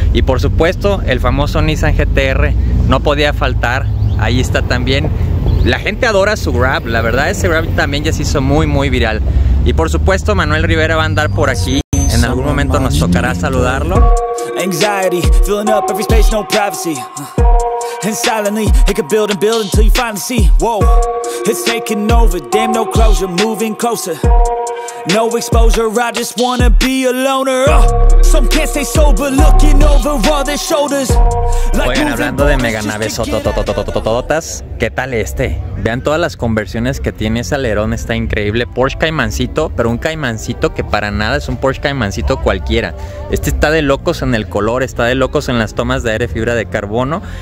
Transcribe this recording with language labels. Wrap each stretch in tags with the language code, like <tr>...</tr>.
<es>Y por supuesto, el famoso Nissan GT-R. No podía faltar. Ahí está también. La gente adora su Grab. La verdad, ese Grab también ya se hizo muy, muy viral. Y por supuesto, Manuel Rivera va a andar por aquí. En algún momento nos tocará saludarlo.</es> <en>Anxiety, filling up every space, no privacy. And silently, it could build and build until you finally see. Whoa, it's taking over, damn no closure, moving closer. No exposure, I just wanna be a loner. Some can't stay sober, looking over all their shoulders.</en> <es>Oigan, hablando de meganaves totototototototototototas, ¿qué tal este? Vean todas las conversiones que tiene ese alerón, está increíble. Porsche Caimancito, pero un Caimancito que para nada es un Porsche Caimancito cualquiera. Este está de locos en el color, está de locos en las tomas de aire fibra de carbono.</es>